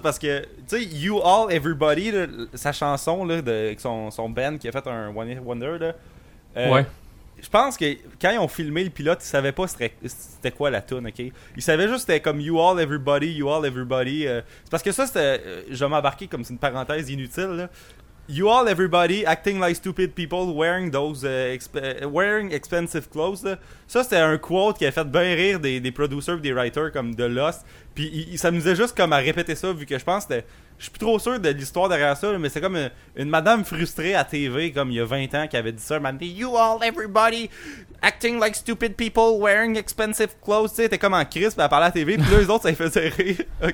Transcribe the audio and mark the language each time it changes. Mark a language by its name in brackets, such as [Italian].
[French] Parce que, tu sais, You All Everybody, là, sa chanson là, de son band qui a fait un One Hit Wonder. Là, ouais. Je pense que quand ils ont filmé le pilote, ils ne savaient pas c'était quoi la toune, OK? Ils savaient juste que c'était comme You All Everybody. C'est parce que ça, c'était, je vais m'embarquer comme c'est une parenthèse inutile, là. [English] You all, everybody, acting like stupid people, wearing those wearing expensive clothes. [French] Ça, c'était un quote qui a fait bien rire des producers et des writers comme de Lost. Puis il s'amusait juste comme à répéter ça, vu que je pense que je suis plus trop sûr de l'histoire derrière ça, mais c'est comme une madame frustrée à TV, comme il y a 20 ans, qui avait dit ça. Elle m'a dit, [English] you all, everybody, acting like stupid people, wearing expensive clothes. [French] Tu sais, c'était comme en crisp, elle parlait à TV, puis là, les autres, ça les faisait rire, OK?